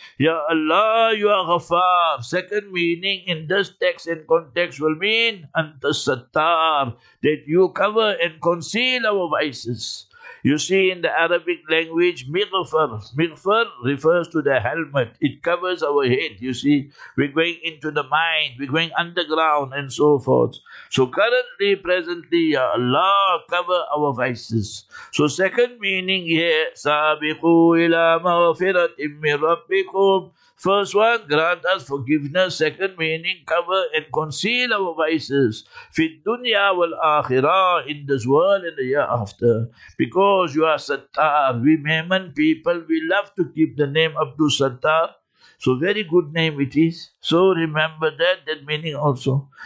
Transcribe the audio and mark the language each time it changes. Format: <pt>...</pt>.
<en>Ya Allah, you are ghafar. Second meaning in this text and context will mean</en> <ar>أَنْتَ السَّتَّارِ,</ar> <en>that you cover and conceal our vices. You see, in the Arabic language, mighfar. Mighfar refers to the helmet. It covers our head, you see. We're going into the mind, we're going underground and so forth. So currently, presently, Ya Allah, cover our vices. So second meaning here,</en> <ar>سَابِقُوا إِلَى مَغْفِرَةٍ مِّن رَبِّكُمْ.</ar> <en>First one, grant us forgiveness. Second meaning, cover and conceal our vices.</en> <ar>فِي الدُّنْيَا وَالْآخِرَةِ,</ar> <en>in this world and the year after. Because you are Sattar, we Maiman people, we love to keep the name Abdul Sattar. So very good name it is. So remember that meaning also.</en>